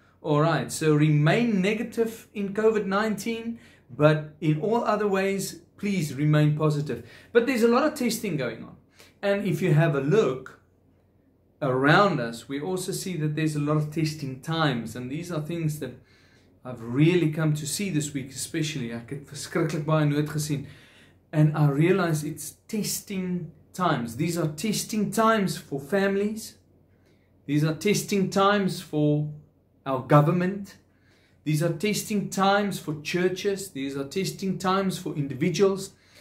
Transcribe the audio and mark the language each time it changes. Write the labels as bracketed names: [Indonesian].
[English] All right, so remain negative in COVID-19, but in all other ways, please remain positive. But there's a lot of testing going on. And if you have a look around us, we also see that there's a lot of testing times. And these are things that I've really come to see this week, especially. [Afrikaans] Ek het verskriklik baie nood gesien. [English] And I realize it's testing times. These are testing times for families. These are testing times for our government. These are testing times for churches. These are testing times for individuals.